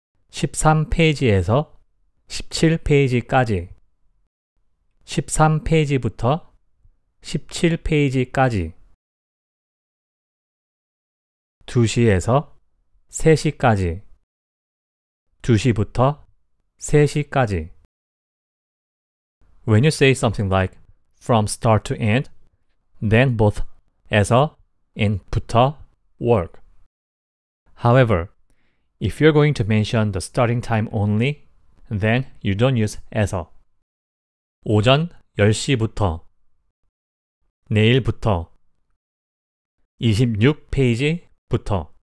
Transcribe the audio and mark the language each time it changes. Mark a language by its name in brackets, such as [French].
[Korean] 13페이지에서 17페이지까지. 13페이지부터 17페이지까지. 2시에서 3시까지. 2시부터 3시까지. [English] When you say something like from start to end, then both eza and puta work. However, if you're going to mention the starting time only, then you don't use eza. [Korean] 오전 10시부터 내일부터 26페이지부터.